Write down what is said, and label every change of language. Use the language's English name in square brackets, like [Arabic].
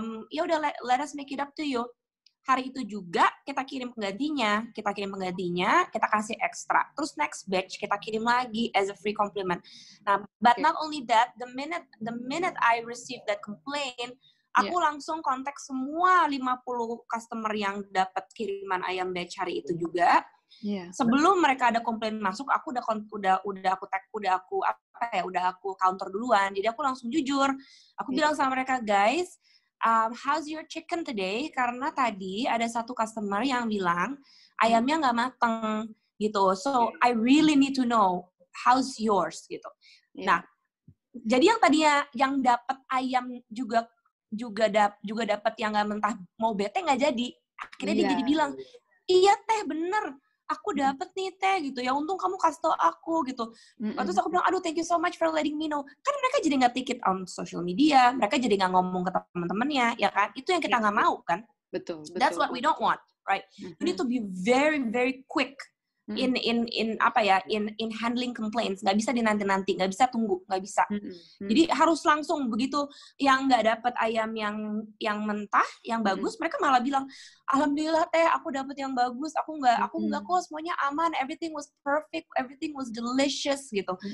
[Indonesian] Ya udah, [English] let us make it up to you. [Indonesian] Hari itu juga kita kirim penggantinya, kita kasih ekstra. Terus [English] next batch [Indonesian] kita kirim lagi [English] as a free compliment. [Indonesian] Nah, [English] but not only that, the minute I receive that complaint, [Indonesian] aku langsung kontak semua 50 customer yang dapat kiriman ayam batch hari itu juga. Sebelum mereka ada komplain masuk, aku udah aku counter duluan. Jadi aku langsung jujur. Aku bilang sama mereka, "Guys, [English] How's your chicken today? [Indonesian] Karena tadi ada satu customer yang bilang ayamnya nggak matang gitu. [English] So I really need to know how's yours gitu. Yeah. [Indonesian] Nah, jadi yang tadinya yang dapat ayam juga dapat yang nggak mentah mau bete nggak jadi. Akhirnya dia jadi bilang, iya teh bener, aku dapat nih teh gitu. Ya untung kamu kasih tau aku gitu. Terus aku bilang, aduh [English] thank you so much for letting me know. [Indonesian] Kan mereka jadi nggak tiket [English] on social media, [Indonesian] mereka jadi nggak ngomong ke teman-temannya, ya kan? Itu yang kita nggak mau kan? Betul, betul. [English] That's what we don't want, right? You need to be very very quick in handling complaints. [Indonesian] Nggak bisa dinanti-nanti, nggak bisa tunggu, nggak bisa. Jadi harus langsung begitu yang nggak dapat ayam yang mentah yang bagus, mereka malah bilang alhamdulillah teh aku dapat yang bagus, aku nggak kok semuanya aman, [English] everything was perfect, everything was delicious [Indonesian] gitu.